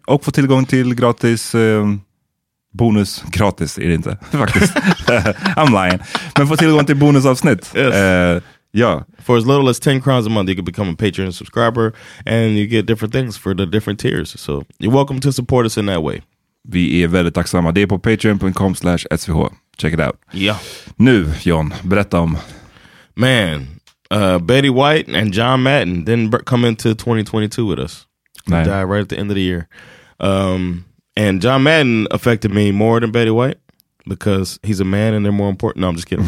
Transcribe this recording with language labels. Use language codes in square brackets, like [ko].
[sv] Och få tillgång till gratis... bonus, gratis är det inte faktiskt. [en] I'm lying. [sv] Men få tillgång till bonusavsnitt. [en] Yeah. For as little as 10 crowns a month, you can become a Patreon subscriber and you get different things for the different tiers. So you're welcome to support us in that way. [sv] Vi är väldigt tacksamma. Det är på patreon.com/svh. [en] Check it out. Yeah. [sv] Nu, John, berätta om... [en] Man, Betty White and John Madden didn't come into 2022 with us. They died right at the end of the year. And John Madden affected me more than Betty White because he's a man and they're more important. No, I'm just kidding.